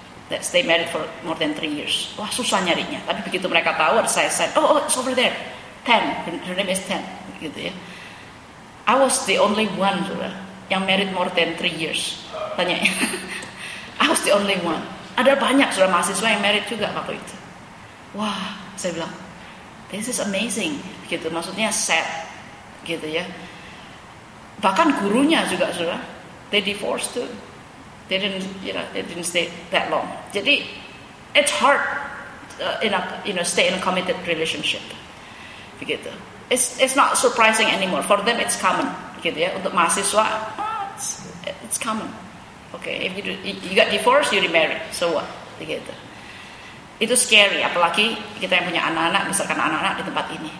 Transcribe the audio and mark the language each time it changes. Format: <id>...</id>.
<en>that stay married for more than 3 years.</en> <id>Wah, susah nyarinya. Tapi begitu mereka tahu, saya</id> <en>said, oh, it's over there. Ten, her name is Ten.</en> <id>Gitu ya.</id> <en>I was the only one,</en> <id>sudah,</id> <en>yang married more than 3 years.</en> <id>Tanya.</id> <en>I was the only one.</en> <id>Ada banyak sudah mahasiswa yang married juga waktu itu. Wah, saya bilang,</id> <en>this is amazing.</en> <id>Gitu, maksudnya sad. Gitu ya. Bahkan gurunya juga sudah,</id> <en>they divorced too. They didn't, you know, they didn't stay that long.</en> <id>Jadi,</id> <en>it's hard in a, you know, stay in a committed relationship. Begitu. It's not surprising anymore. For them, it's common.</en> <id>Gitu ya. Untuk mahasiswa,</id> <en>it's common. Okay, if you do, you got divorced, you remarry. So what?</en> <id>Begitu. Itu</id> <en>scary.</en> <id>Apalagi kita yang punya anak-anak, misalkan anak-anak di tempat ini.</id>